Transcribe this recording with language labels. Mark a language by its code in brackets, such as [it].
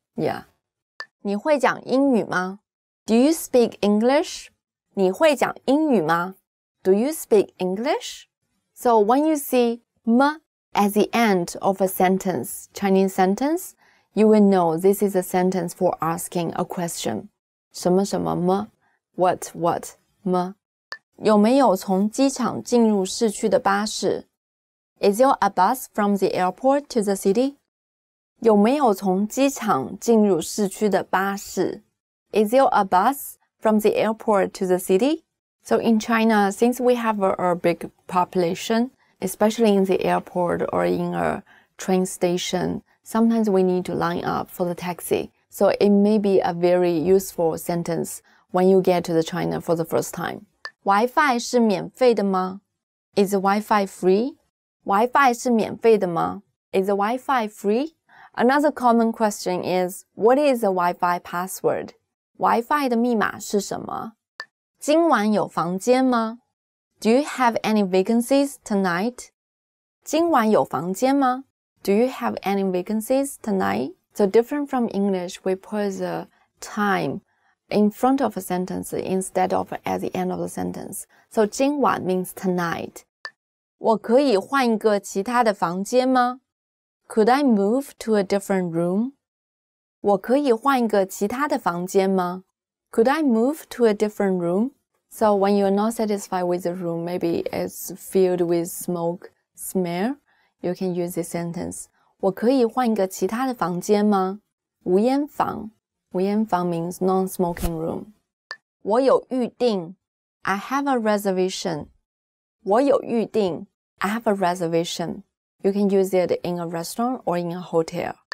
[en] Yeah. [zh] 你会讲英语吗? [en] Do you speak English? [zh] 你会讲英语吗? [en] Do you speak English? So when you see 吗 at the end of a sentence, Chinese sentence, you will know this is a sentence for asking a question. [zh] 什么什么吗?What, 吗? 有没有从机场进入市区的巴士? [en] Is there a bus from the airport to the city? [zh] 有没有从机场进入市区的巴士? [en] Is there a bus from the airport to the city? So in China, since we have a big population, especially in the airport or in a train station, sometimes we need to line up for the taxi. So it may be a very useful sentence when you get to the China for the first time. Wi-Fi [zh] 是免费的吗? [en] Is Wi-Fi free? Wi-Fi [zh] 是免费的吗? [en] Is Wi-Fi free? Another common question is, what is the Wi-Fi password? [zh] Wi-Fi 的密码是什么?今晚有房间吗? [en] Do you have any vacancies tonight? [zh] 今晚有房间吗? [en] Do you have any vacancies tonight? So different from English, we put the time. In front of a sentence instead of at the end of the sentence. So 今晚 means tonight. [zh] 我可以换一个其他的房间吗? [en] Could I move to a different room? [zh] 我可以换一个其他的房间吗? [en] Could I move to a different room? So when you're not satisfied with the room, maybe it's filled with smoke smell, you can use this sentence. [zh] 我可以换一个其他的房间吗? [en] 无烟房。无烟房 means non-smoking room. [zh] 我有预定。 [en] I have a reservation. [zh] 我有预定。 [en] I have a reservation. You can use it in a restaurant or in a hotel.